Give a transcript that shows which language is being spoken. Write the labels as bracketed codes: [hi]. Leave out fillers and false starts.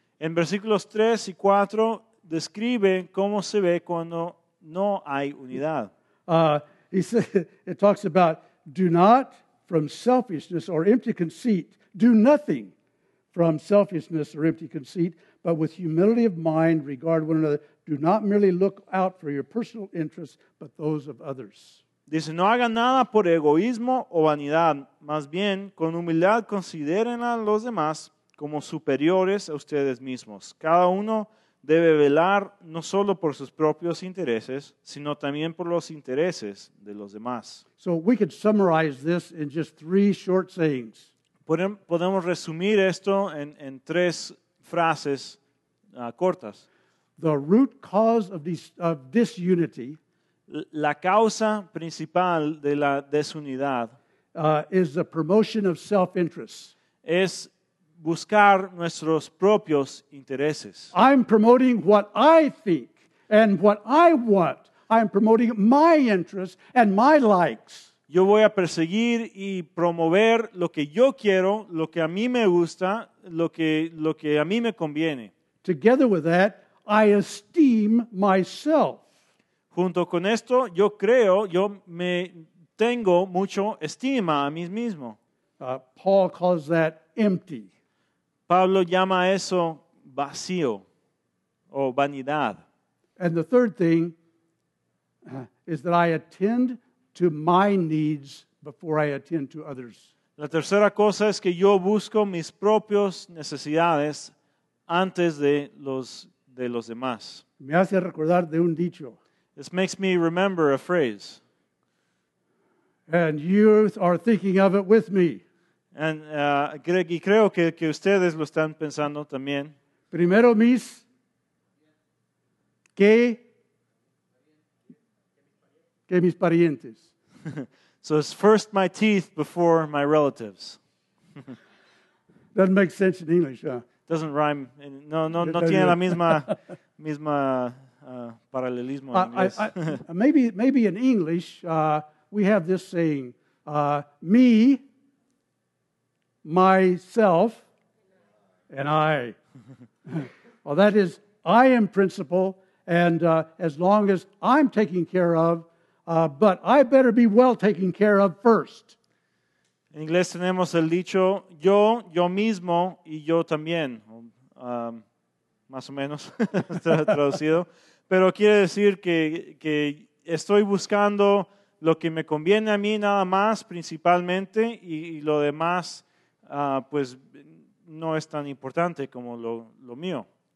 [es] En versículos 3 y 4 describe cómo se ve cuando no hay unidad. [en] It talks about do not from selfishness or empty conceit, do nothing from selfishness or empty conceit, but with humility of mind regard one another. Do not merely look out for your personal interests, but those of others. [es] Dice, no hagan nada por egoísmo o vanidad, más bien con humildad consideren a los demás como superiores a ustedes mismos. Cada uno debe velar no solo por sus propios intereses, sino también por los intereses de los demás. [en] So we could summarize this in just three short sayings. [es] Podemos resumir esto en tres frases cortas. [en] The root cause of disunity, [es] la causa principal de la desunidad, [en] is the promotion of self-interest. [es] Es buscar nuestros propios intereses. [en] I'm promoting what I think and what I want. I'm promoting my interests and my likes. [es] Yo voy a perseguir y promover lo que yo quiero, lo que a mí me gusta, lo que a mí me conviene. [en] Together with that, I esteem myself. [es] Junto con esto, yo creo, yo me tengo mucho estima a mí mismo. [en] Paul calls that empty. [es] Pablo llama eso vacío o vanidad. [en] And the third thing is that I attend to my needs before I attend to others. [es] La tercera cosa es que yo busco mis propias necesidades antes de los demás. Me hace recordar de un dicho. [en] This makes me remember a phrase. And you are thinking of it with me. [es] Y creo que ustedes lo están pensando también. Primero mis que mis parientes. [en] So it's first my teeth before my relatives. Doesn't make sense in English, huh? Doesn't rhyme. [es] No tiene la misma paralelismo en inglés. [en] maybe in English we have this saying, me, myself, and I. Well, that is, I am principal, and as long as I'm taken care of, but I better be well taken care of first. [es] En inglés tenemos el dicho, yo, yo mismo, y yo también. Más o menos traducido. Pero quiere decir que estoy buscando lo que me conviene a mí nada más, principalmente, y lo demás pues no es tan importante como lo mío.